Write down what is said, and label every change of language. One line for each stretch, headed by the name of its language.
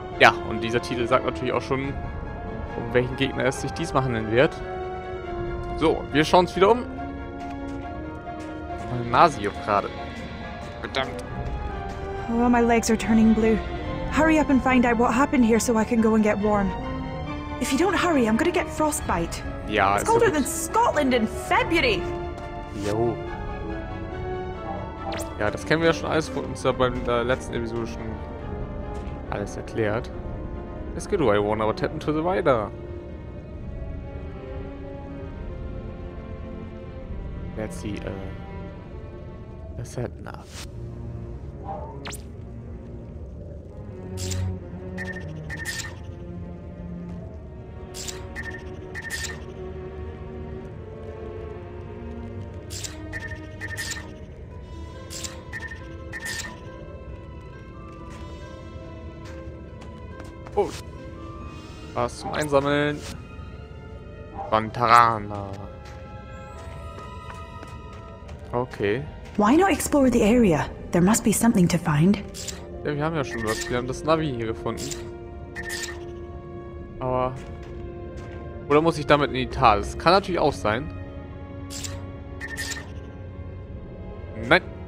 German: Ja, und dieser Titel sagt natürlich auch schon, um welchen Gegner es sich diesmal handeln wird. So, wir schauen uns wieder um. Meine Nase juckt gerade. Verdammt.
English: Oh, my legs are turning blue. Hurry up and find out what happened here so I can go and get warm. If you don't hurry, I'm gonna get frostbite.
German: Ja,
English: it's colder than Scotland in February!
German: Jo. Ja, das kennen wir ja schon alles von uns, ja, bei der letzten Episode schon alles erklärt.
English: Let's get away, warm, aber tap into the rider. Let's see, is that enough?
German: Was zum Einsammeln. Bantarana. Okay.
English: Why not explore the area? There must be something to find.
German: Ja, wir haben ja schon was. Wir haben das Navi hier gefunden. Aber. Oder muss ich damit in die Tal? Das kann natürlich auch sein. Nein.